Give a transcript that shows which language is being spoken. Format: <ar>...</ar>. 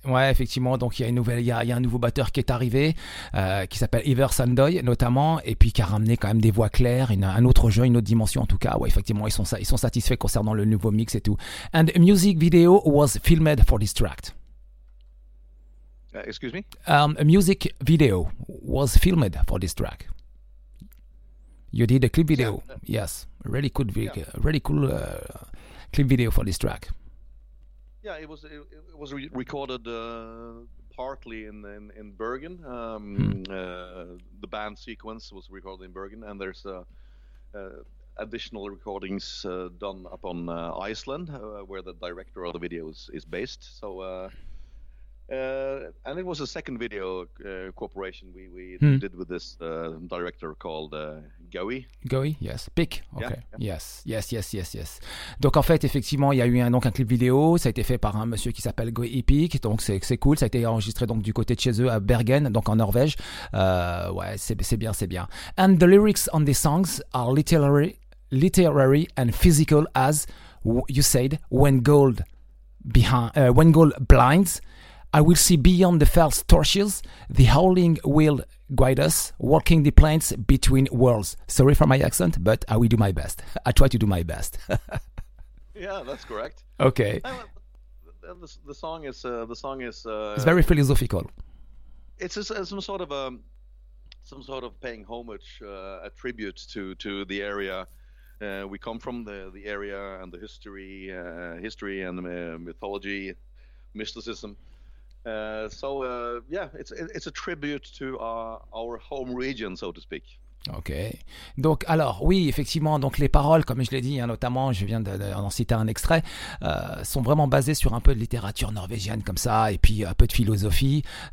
<fr>Effectivement, donc il y a un nouveau batteur qui est arrivé qui s'appelle Iver Sandoy notamment, et puis qui a ramené quand même des voix claires, un autre jeu, une autre dimension en tout cas. Ouais, effectivement, ils sont satisfaits concernant le nouveau mix et tout.</fr> <en>And a music video was filmed for this track. Excuse me? A music video was filmed for this track. You did a clip video. Yeah. Yes. Really good video. Yeah. Really cool clip video for this track. Yeah, it was recorded partly in Bergen. The band sequence was recorded in Bergen, and there's additional recordings done up on Iceland, where the director of the video is based. So and it was a second video cooperation we did with this director called Goey. Yes. Pick. Okay. Yeah. Yes.</en> <fr>Donc en fait, effectivement, il y a eu un clip vidéo. Ça a été fait par un monsieur qui s'appelle Goey Pick. Donc c'est cool. Ça a été enregistré donc du côté de chez eux à Bergen, donc en Norvège. C'est bien.</fr> <en>And the lyrics on these songs are literary and physical, as you said, when gold blinds, I will see beyond the false torches, the howling will guide us, walking the planes between worlds. Sorry for my accent, but I will do my best. I try to do my best. Yeah, that's correct. Okay. The song is it's very philosophical. It's some sort of paying homage, a tribute to the area we come from, the area and the history and mythology, mysticism. It's a tribute to our home region, so to speak.</en> <fr>Ok, donc alors oui, effectivement, donc les paroles, comme je l'ai dit, hein, notamment, je viens d'en citer un extrait, sont vraiment basées sur un peu de littérature norvégienne comme ça, et puis un peu de philosophie.</fr>